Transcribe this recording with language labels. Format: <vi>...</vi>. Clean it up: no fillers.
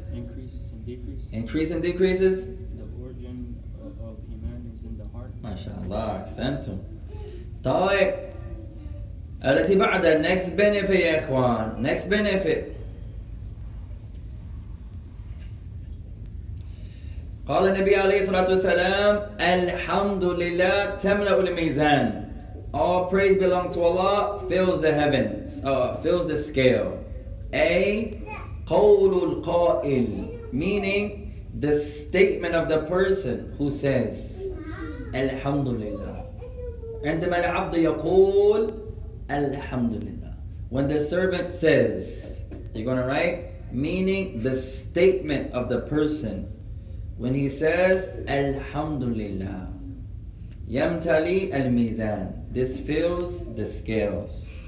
<en>Increases and decreases. Increase and decreases. The origin of iman is in the heart. MashaAllah, accentum.</en> <ar>طيب. التي بعد</ar> <en>next benefit</en> <ar>يا إخوان.</ar> <en>Next benefit.</en> <ar>قال النبي عليه الصلاة والسلام الحمد لله تملأ الميزان.</ar> <en>All praise belong to Allah fills the heavens, fills the scale. A</en> <ar>قول القائل,</ar> <en>meaning the statement of the person who says الحمد لله.</en> <ar>عندما العبد يقول الحمد لله.</ar> <en>When the servant says, you're gonna write, meaning the statement of the person when he says Alhamdulillah,</en> <ar>yamtali al-mizan,</ar> <en>this fills the scales.</en>